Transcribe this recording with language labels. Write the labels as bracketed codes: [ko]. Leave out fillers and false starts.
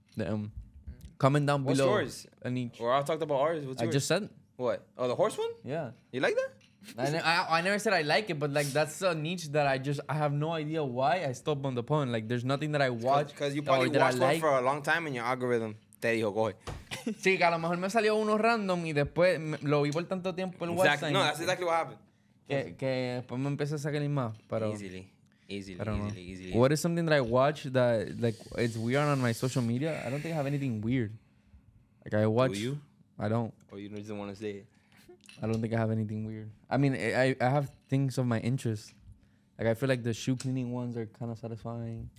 [en] Damn. Comment down below. What's yours? A niche. Or I talked about ours. What's yours? I just said. What? Oh, the horse one? Yeah. You like that? I never said I like it, but like that's a niche that I have no idea why I stopped on the pun. Like there's nothing that I watch. Because you probably watched one for a long time and your algorithm [es] te dijo, [en] go ahead. [es] Sí, que a lo mejor me salió uno random y después lo vi por tanto tiempo el WhatsApp. [en] No, that's exactly what happened. [es] Que después me empecé a sacar más, pero... [en] Easily. What is something that I watch that like it's weird on my social media? I don't think I have anything weird. Like I watch... Do you? I don't. Or you just don't want to say it. I don't think I have anything weird. I mean, I have things of my interest. Like, I feel like the shoe cleaning ones are kind of satisfying.